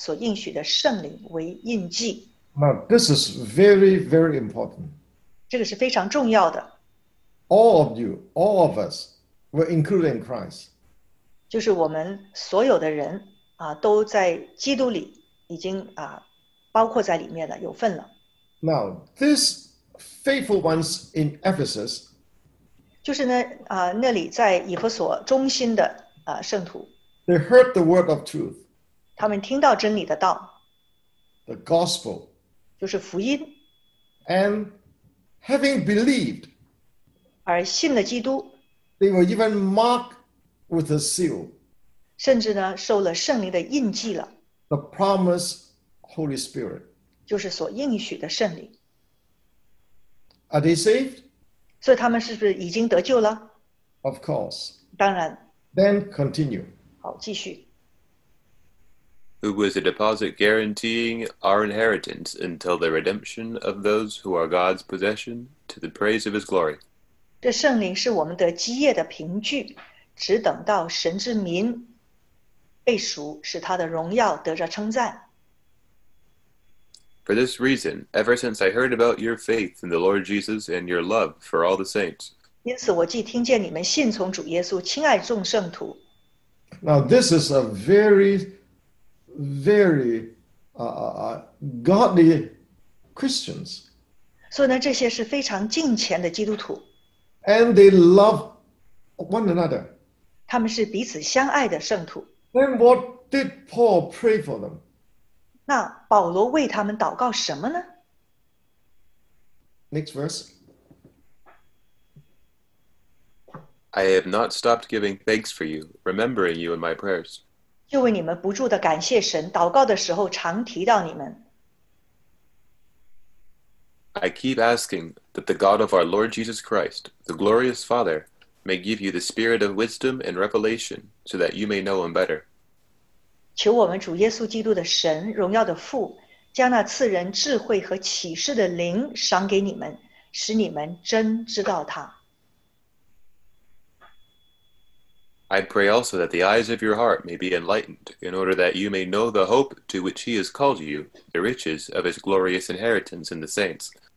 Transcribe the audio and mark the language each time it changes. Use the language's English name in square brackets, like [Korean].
[Chinese] 既然信他就受了所应许的圣灵为印记。 [English] Now, this is very, very important. [Chinese] 这个是非常重要的。 [English] All of you, all of us, were included in Christ. [Chinese] 就是我们所有的人都在基督里已经包括在里面了,有份了。 [English] Now, this faithful ones in Ephesus, [Chinese] 就是那里在以弗所中心的圣徒, [English] they heard the word of truth. [Chinese] 他们听到真理的道, [English] the gospel, [Chinese] 就是福音, [English] and having believed, [Chinese] 而信了基督, [English] they were even marked with a seal, [Chinese] 甚至呢,受了圣灵的印记了, [English] the promised Holy Spirit. [Chinese] 就是所应许的圣灵。 [English] Are they saved? [Chinese] 所以他们是不是已经得救了? [English] Of course. [Chinese] 当然, [English] then continue. [Chinese] 好, 继续。 [English] Who was a deposit guaranteeing our inheritance until the redemption of those who are God's possession to the praise of his glory. [Chinese] 这圣灵是我们的基业的凭据, 只等到神之民被赎, 使他的荣耀得着称赞。 [English] For this reason, ever since I heard about your faith in the Lord Jesus and your love for all the saints. [Chinese] 因此我既听见你们信从主耶稣亲爱众圣徒。 [English] Now this is a very very godly Christians. [Chinese] 所以呢,这些是非常敬虔的基督徒。 [English] And they love one another. [Chinese] 他们是彼此相爱的圣徒。 [English] Then what did Paul pray for them? [Chinese] 那保罗为他们祷告什么呢? [English] Next verse. I have not stopped giving thanks for you, remembering you in my prayers. [Chinese] 就为你们不住地感谢神,祷告的时候常提到你们。 [English] I keep asking that the God of our Lord Jesus Christ, the glorious Father, may give you the spirit of wisdom and revelation so that you may know him better. [Chinese] 求我们主耶稣基督的神,荣耀的父,将那赐人智慧和启示的灵赏给你们,使你们真知道他。 [English] I pray also that the eyes of your heart may be enlightened, in order that you may know the hope to which he has called you, the riches of his glorious inheritance in the saints.